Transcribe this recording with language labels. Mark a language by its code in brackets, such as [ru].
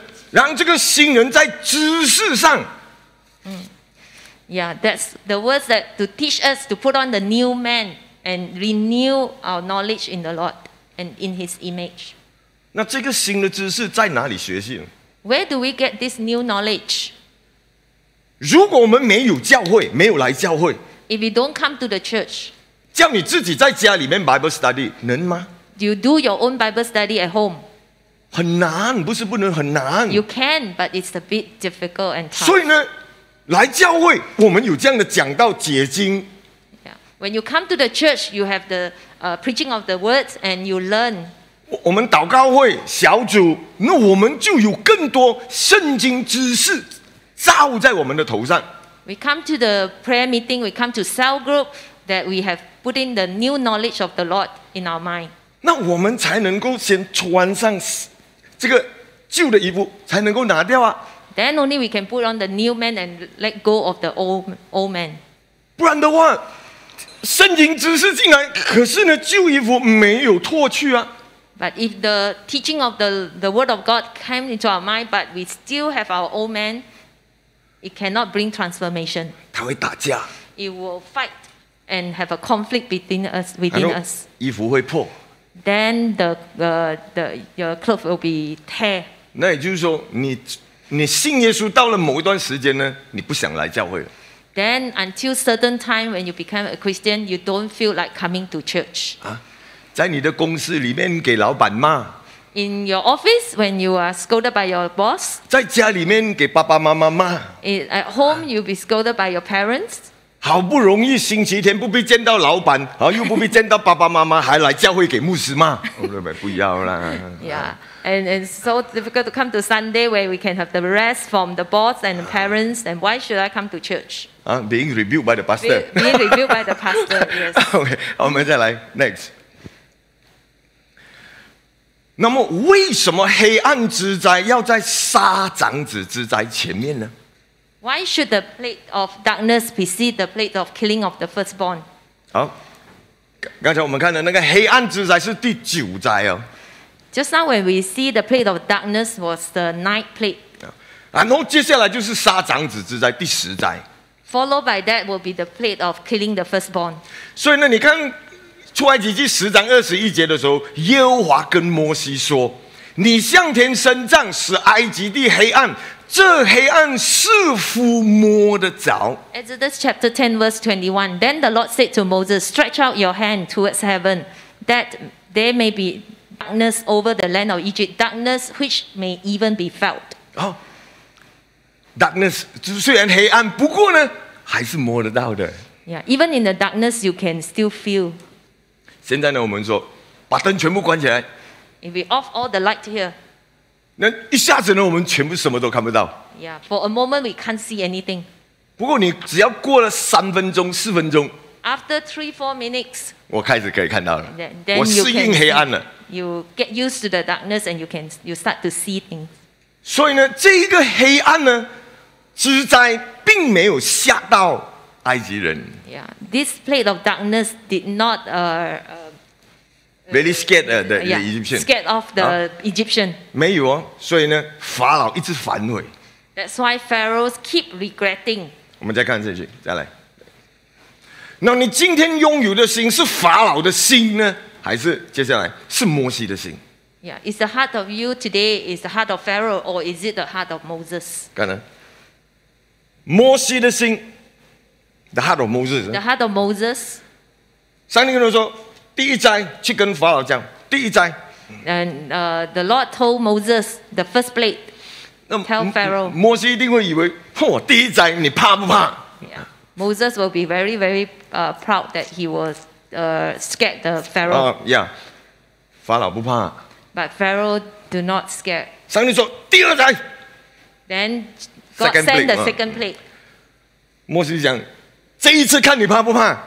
[zh] 那就是叫我们穿上新的人，让这个新人在知识上 [en] Yeah, that's the words that to teach us to put on the new man and renew our knowledge in the Lord and in His image. [zh] 那这个新的知识在哪里学习？ [en] Where do we get this new knowledge? [zh] 如果我们没有教会，没有来教会， [en] If you don't come to the church, [zh] 叫你自己在家里面 [en] Bible study [zh] 能吗？ [en] You do your own Bible study at home. [zh] 很难，不是不能，很难。 [en] You can, but it's a bit difficult and tough. [zh] 所以呢，来教会我们有这样的讲道解经。 [en] Yeah, when you come to the church, you have the preaching of the words and you learn. [zh] 我们祷告会小组，那我们就有更多圣经知识罩在我们的头上。 [en] We come to the prayer meeting, we come to cell group, that we have put in the new knowledge of the Lord in our mind. [zh] 那我们才能够先穿上这个旧的衣服，才能够拿掉啊。 [en] Then only we can put on the new man and let go of the old man. [zh] 不然的话，圣经知识进来，可是呢，旧衣服没有脱去啊。 [en] But if the teaching of the word of God came into our mind, but we still have our old man, it cannot bring transformation. [zh] 他会打架。 [en] It will fight and have a conflict between us. Within us. [zh] 衣服会破。 [en] Then the your clothes will be tear. [zh] 那也就是说，你信耶稣到了某一段时间呢，你不想来教会了。 [en] Then until certain time when you become a Christian, you don't feel like coming to church. 啊。 [zh] 在你的公司里面给老板骂。 [en] In your office when you are scolded by your boss. [zh] 在家里面给爸爸妈妈骂。 [en] At home you'll be scolded by your parents. [zh] 好不容易星期天不必见到老板，又不必见到爸爸妈妈，还来教会给牧师骂。不要啦。 [en] Yeah, and it's so difficult to come to Sunday where we can have the rest from the boss and the parents. And why should I come to church? Being rebuked by the pastor. Being rebuked by the pastor. Yes. [zh] Okay, 我们再来 next. 那么为什么黑暗之灾要在杀长子之灾前面呢？ [en] Why should the plague of darkness precede the plague of killing of the firstborn? [zh] 好，刚才我们看的那个黑暗之灾是第九灾哦。 [en] Just now when we see the plague of darkness was the ninth plague. [zh] 然后接下来就是杀长子之灾第十灾。 [en] Followed by that will be the plague of killing the firstborn. [zh] 所以呢，你看出埃及记十章二十一节的时候，耶和华跟摩西说：“你向天伸杖，使埃及地黑暗，这黑暗似乎摸得着。” [en] Exodus chapter 10 verse 21. Then the Lord said to Moses, "Stretch out your hand towards heaven, that there may be darkness over the land of Egypt, darkness which may even be felt." [zh] Darkness 虽然黑暗，不过呢，还是摸得到的。 [en] Yeah, even in the darkness, you can still feel. [zh] 现在呢，我们说把灯全部关起来。 [en] If we off all the light here, [zh] 那一下子呢，我们全部什么都看不到。 [en] Yeah, for a moment we can't see anything. [zh] 不过你只要过了三分钟、四分钟 [en] ，After three, four minutes, [zh] 我开始可以看到了。 [en] Then [zh] 我适应黑暗了。 [en] You get used to the darkness and you start to see things. [zh] 所以呢，这一个黑暗呢，之灾并没有吓到。埃及人 [en] yeah, this plate of darkness did not very scared the Egyptian. Scared off the Egyptian. [zh] 没有哦，所以呢，法老一直反悔。 [en] That's why pharaohs keep regretting. [zh] 我们再看下去，再来。那你今天拥有的心是法老的心呢，还是接下来是摩西的心 [en] ？Yeah, is the heart of you today is the heart of Pharaoh or is it the heart of Moses? [zh] 看呢，摩西的心。 [en] The heart of Moses. The heart of Moses. [zh] 上帝跟他说，第一灾去跟法老讲，第一灾。 [en] And the Lord told Moses the first plague. Tell Pharaoh. [zh] 摩西一定会以为，嚯，第一灾你怕不怕 [en] ？Yeah. Moses will be very very proud that he was scared the Pharaoh. [zh] Yeah. 法老不怕。 [en] But Pharaoh do not scared. [zh] 上帝说第二灾。 [en] Then God sent the second plague. [zh] 摩西讲。这一次看你怕不怕